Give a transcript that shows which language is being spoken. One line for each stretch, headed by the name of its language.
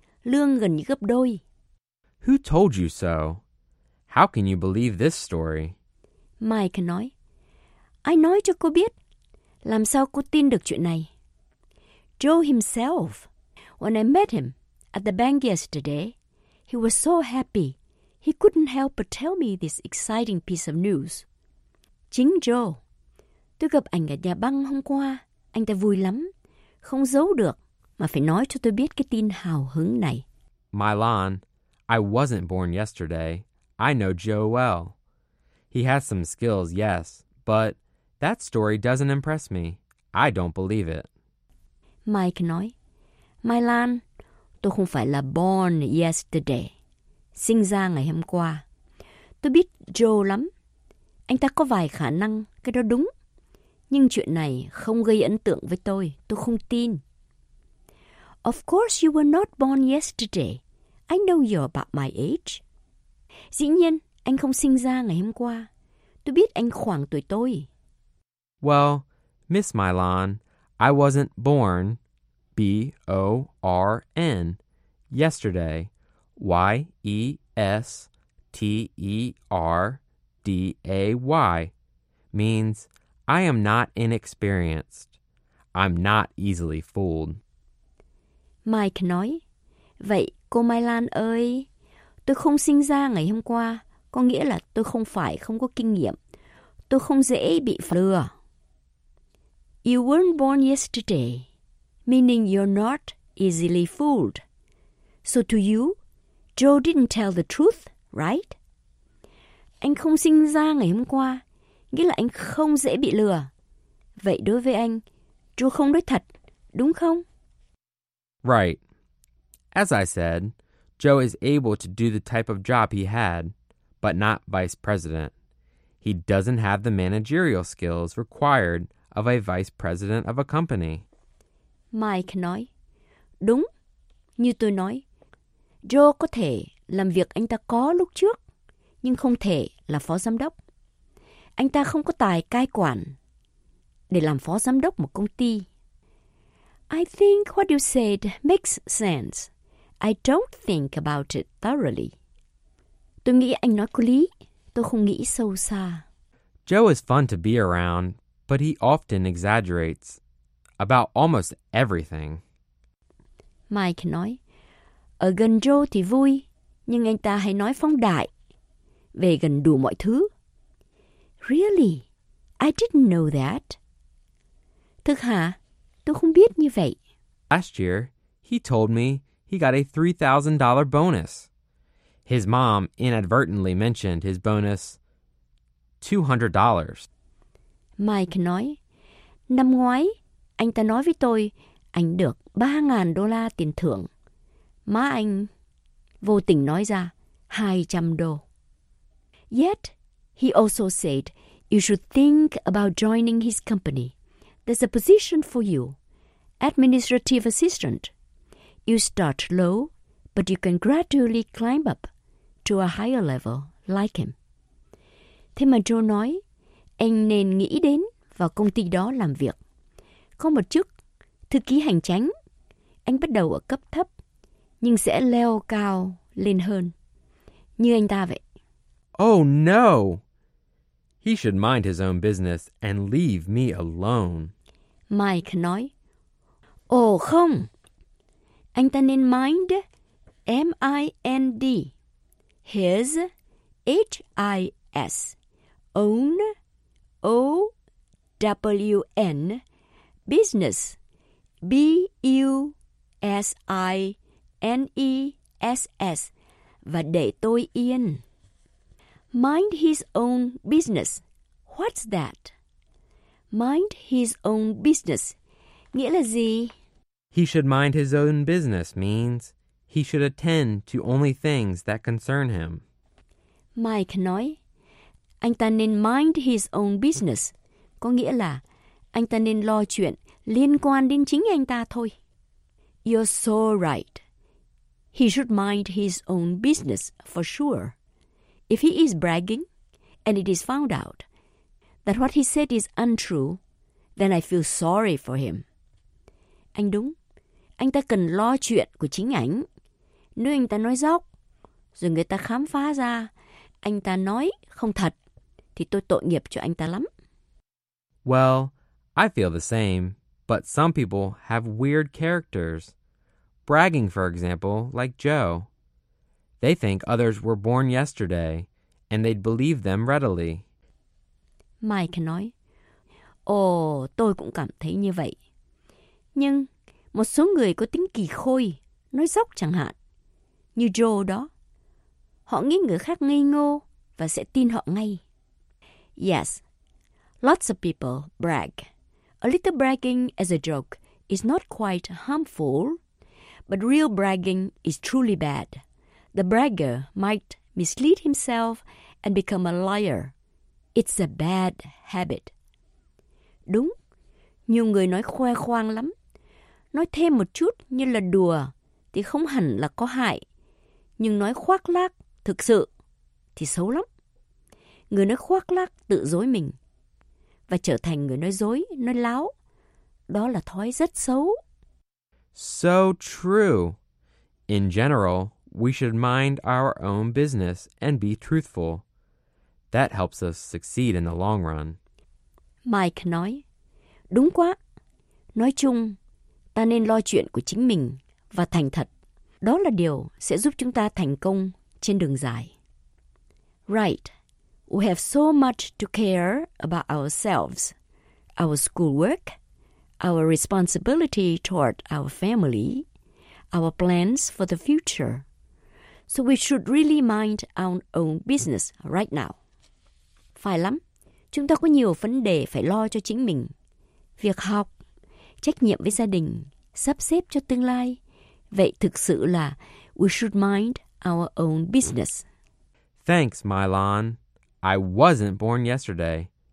Vietnamese: Lương gần như gấp đôi.
English: Who told you so? How can you believe this story?
Vietnamese: Mike nói, I nói cho cô biết, làm sao cô tin được chuyện này?
English: Joe himself, when I met him, at the bank yesterday. He was so happy. He couldn't help but tell me this exciting piece of news.
Vietnamese: Chính Joe. Tôi gặp anh ở nhà băng hôm qua. Anh ta vui lắm. Không giấu được mà phải nói cho tôi biết cái tin hào hứng này.
English: Milan, I wasn't born yesterday. I know Joe well. He has some skills, yes, but that story doesn't impress me. I don't believe it.
Vietnamese: Mike nói, Milan, tôi không phải là
English: born yesterday.
Vietnamese: Sinh ra ngày hôm qua. Tôi biết Joe lắm. Anh ta có vài khả năng, cái đó đúng. Nhưng chuyện này không gây ấn tượng với tôi. Tôi không tin.
English: Of course you were not born yesterday. I know you're about my age.
Vietnamese: Dĩ nhiên, anh không sinh ra ngày hôm qua. Tôi biết anh khoảng tuổi tôi.
English: Well, Miss Milan, I wasn't born, B-O-R-N, yesterday, Y-E-S-T-E-R-D-A-Y, means I am not inexperienced. I'm not easily fooled.
Vietnamese: Mike nói, vậy cô Milan ơi, tôi không sinh ra ngày hôm qua, có nghĩa là tôi không phải không có kinh nghiệm. Tôi không dễ bị lừa.
English: You weren't born yesterday, meaning you're not easily fooled. So to you, Joe didn't tell the truth, right?
Vietnamese: Anh không sinh ra ngày hôm qua, nghĩa là anh không dễ bị lừa. Vậy đối với anh, Joe không nói thật, đúng không?
English: Right. As I said, Joe is able to do the type of job he had, but not vice president. He doesn't have the managerial skills required of a vice president of a company.
Vietnamese: Mike nói, đúng, như tôi nói, Joe có thể làm việc anh ta có lúc trước, nhưng không thể là phó giám đốc. Anh ta không có tài cai quản để làm phó giám đốc một công ty.
English: I think what you said makes sense. I don't think about it thoroughly.
Vietnamese: Tôi nghĩ anh nói có lý, tôi không nghĩ sâu xa.
English: Joe is fun to be around, but he often exaggerates about almost everything.
Vietnamese: Mike nói, ở gần Joe thì vui, nhưng anh ta hay nói phóng đại về gần đủ mọi thứ.
English: Really? I didn't know that.
Vietnamese: Thực hả? Tôi không biết như vậy.
English: Last year, he told me he got a $3,000 bonus. His mom inadvertently mentioned his bonus $200.
Vietnamese: Mike nói, năm ngoái, anh ta nói với tôi, anh được $3,000 tiền thưởng. Má anh vô tình nói ra, $200.
English: Yet, he also said, you should think about joining his company. There's a position for you, administrative assistant. You start low, but you can gradually climb up to a higher level like him.
Vietnamese: Thế mà Joe nói, anh nên nghĩ đến vào công ty đó làm việc. Có một chức thư ký hành chính. Anh bắt đầu ở cấp thấp, nhưng sẽ leo cao lên hơn. Như anh ta vậy.
English: Oh no! He should mind his own business and leave me alone.
Vietnamese: Mike nói, ồ không! Anh ta nên
English: mind, M-I-N-D, his, H-I-S, own, O-W-N, business, B-U-S-I-N-E-S-S,
Vietnamese: và để tôi yên.
English: Mind his own business. What's that? Mind his own business.
Vietnamese: Nghĩa là gì?
English: He should mind his own business means he should attend to only things that concern him.
Vietnamese: Mike nói, anh ta nên
English: mind his own business.
Vietnamese: Có nghĩa là anh ta nên lo chuyện liên quan đến chính anh ta thôi.
English: You're so right. He should mind his own business for sure. If he is bragging and it is found out that what he said is untrue, then I feel sorry for him.
Vietnamese: Anh đúng. Anh ta cần lo chuyện của chính ảnh. Nếu anh ta nói dốc, rồi người ta khám phá ra anh ta nói không thật, thì tôi tội nghiệp cho anh ta lắm.
English: Well, I feel the same, but some people have weird characters. bragging, for example, like Joe. They think others were born yesterday, and they'd believe them readily.
Vietnamese: Mike nói, Ồ, tôi cũng cảm thấy như vậy. Nhưng một số người có tính kỳ khôi, nói dốc chẳng hạn, như Joe đó. Họ nghĩ người khác ngây ngô và sẽ tin họ ngay.
English: Yes, lots of people brag. A little bragging as a joke is not quite harmful, but real bragging is truly bad. The bragger might mislead himself and become a liar. It's a bad habit.
Vietnamese: Đúng, nhiều người nói khoe khoang lắm. Nói thêm một chút như là đùa thì không hẳn là có hại. Nhưng nói khoác lác thực sự thì xấu lắm. Người nói khoác lác tự dối mình và trở thành người nói dối, nói láo. Đó là thói rất xấu.
English: So true. In general, we should mind our own business and be truthful. That helps us succeed in the long run.
Vietnamese: Mike nói, đúng quá. Nói chung, ta nên lo chuyện của chính mình và thành thật. Đó là điều sẽ giúp chúng ta thành công trên đường dài.
English: Right. We have so much to care about ourselves, our schoolwork, our responsibility toward our family, our plans for the future. So we should really mind our own business right now.
Vietnamese: Phải lắm. Chúng ta có nhiều vấn đề phải lo cho chính mình. Việc học, trách nhiệm với gia đình, sắp xếp cho tương lai. Vậy thực sự là
English: we should mind our own business. Thanks, Mylon. I wasn't born yesterday.